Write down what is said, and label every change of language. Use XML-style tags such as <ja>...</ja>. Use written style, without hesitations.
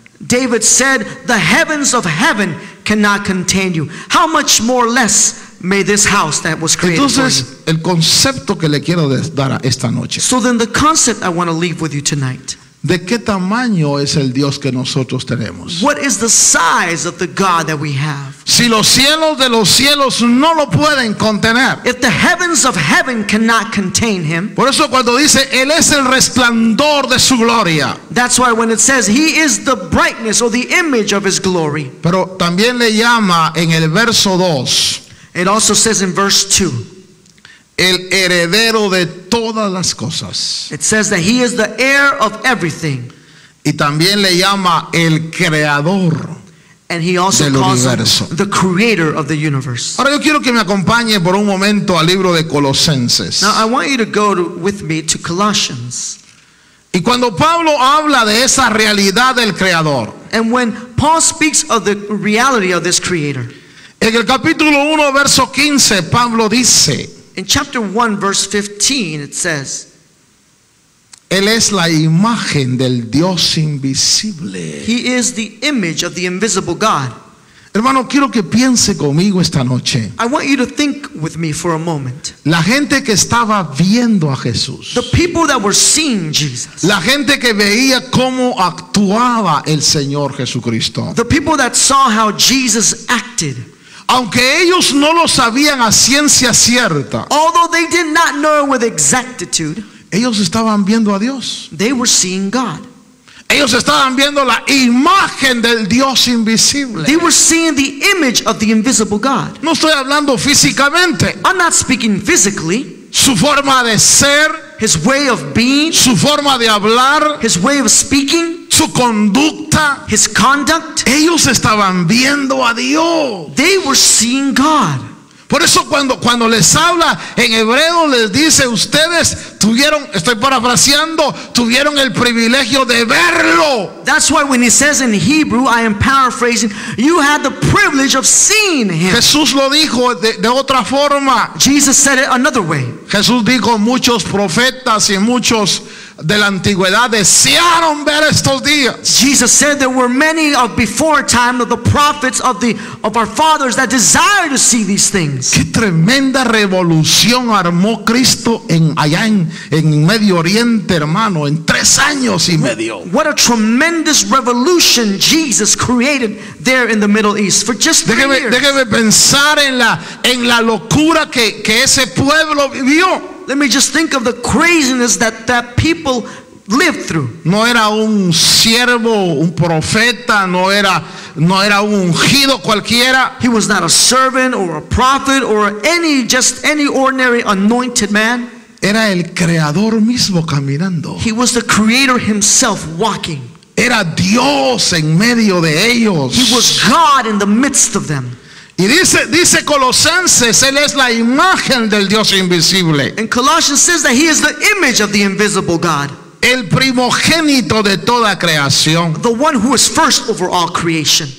<en>David said the heavens of heaven cannot contain you. How much more less may this house that was created.</en> <es>Entonces, el concepto que le quiero dar a esta noche.</es> <en>So then the concept I want to leave with you tonight.</en> <es>¿De qué tamaño es el Dios que nosotros tenemos?</es> <en>What is the size of the God that we have?</en> <es>Si los cielos de los cielos no lo pueden contener.</es> <en>If the heavens of heaven cannot contain him.</en> <es>Por eso cuando dice él es el resplandor de su gloria.</es> <en>That's why when it says he is the brightness or the image of his glory.</en> <es>Pero también le llama en el verso 2.</es> <en>It also says in verse 2.</en> <es>El heredero de todas las cosas.</es> <en>It says that he is the heir of everything.</en> <es>Y también le llama el creador.</es> <en>And he also</en> <es>del</es> <en>calls</en> <es>universo.</es> <en>Him the creator of the universe.</en> <es>Ahora yo quiero que me acompañe por un momento al libro de Colosenses.</es> <en>Now I want you to go with me to Colossians.</en> <es>Y cuando Pablo habla de esa realidad del creador.</es> <en>And when Paul speaks of the reality of this creator.</en> <es>En el capítulo 1 verso 15 Pablo dice.</es> <en>In chapter 1 verse 15 it says.</en> <es>Él es la imagen del Dios invisible.</es> <en>He is the image of the invisible God.</en> <es>Hermano, quiero que piense conmigo esta noche.</es> <en>I want you to think with me for a moment.</en> <es>La gente que estaba viendo a Jesús.</es> <en>The people that were seeing Jesus.</en> <es>La gente que veía cómo actuaba el Señor Jesucristo.</es> <en>The people that saw how Jesus acted.</en> <es>Aunque ellos no lo sabían a ciencia cierta.</es> <en>Although they did not know with exactitude.</en> <es>Ellos estaban viendo a Dios.</es> <en>They were seeing God.</en> <es>Ellos estaban viendo la imagen del Dios invisible.</es> <en>They were seeing the image of the invisible God.</en> <es>No estoy hablando físicamente.</es> <en>I'm not speaking physically.</en> <es>Su forma de ser.</es> <en>His way of being.</en> <es>Su forma de hablar.</es> <en>His way of speaking.</en> <es>Su conducta.</es> <en>His conduct.</en> <es>Ellos estaban viendo a Dios.</es> <en>They were seeing God.</en> <es>Por eso cuando les habla en Hebreo les dice ustedes tuvieron, estoy parafraseando, tuvieron el privilegio de verlo.</es> <en>That's why when he says in Hebrew, I am paraphrasing, you had the privilege of seeing him.</en> <es>Jesús lo dijo de otra forma.</es> <en>Jesus said it another way.</en> <es>Jesús dijo muchos profetas y muchos de la antigüedad desearon ver estos días.</es> <en>Jesus said there were many of before time of the prophets of the of our fathers that desired to see these things.</en> <es>Qué tremenda revolución armó Cristo en allá en Medio Oriente, hermano, en 3 años y medio.</es> <en>What a tremendous revolution Jesus created there in the Middle East for just 3 years.</en> <es>Déjeme pensar en la locura que ese pueblo vivió.</es> <en>Let me just think of the craziness that people lived through.</en> <es>No era un siervo, un profeta, no era un ungido cualquiera.</es> <en>He was not a servant or a prophet or any ordinary anointed man.</en> <es>Era el creador mismo caminando.</es> <en>He was the creator himself walking.</en> <es>Era Dios en medio de ellos.</es> <en>He was God in the midst of them.</en> <es>Y dice Colosenses, él es la imagen del Dios invisible.</es> <en>And Colossians says that he is the image of the invisible God.</en> <es>El primogénito de toda creación.</es> <en>The one who is first over all creation.</en>